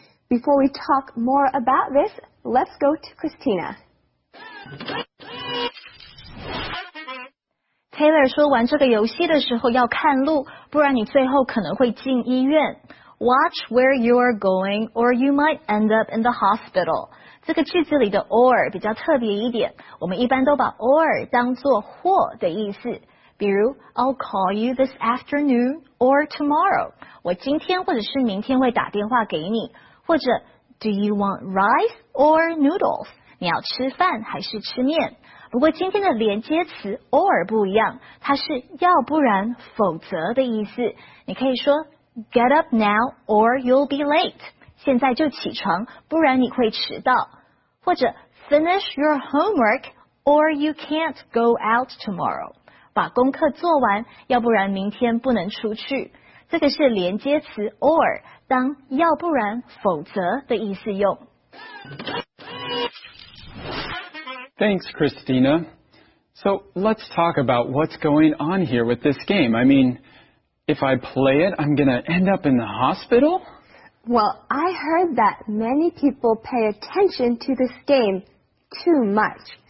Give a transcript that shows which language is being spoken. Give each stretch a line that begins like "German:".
English: Before we talk more about this, let's go to Christina.
Chinese: Taylor 说玩这个游戏的时候要看路，不然你最后可能会进医院。
English: Watch where you are going or you might end up in the hospital.
Chinese: 这个句子里的 or 比较特别一点，我们一般都把 or 当作或的意思。比如
English: I'll call you this afternoon or tomorrow.
Chinese: 我今天或者是明天会打电话给你。或者
English: Do you want rice or noodles?
Chinese: 你要吃饭还是吃面？不过今天的连接词 or 不一样，它是要不然否则的意思。你可以说
English: get up now or you'll be late，
Chinese: 现在就起床，不然你会迟到。或者
English: finish your homework or you can't go out tomorrow，
Chinese: 把功课做完，要不然明天不能出去。这个是连接词 or 当要不然否则的意思用。
English: Thanks, Christina. So, let's talk about what's going on here with this game. I mean, if I play it, I'm going to end up in the hospital? Well, I heard that many people pay attention to this game too much.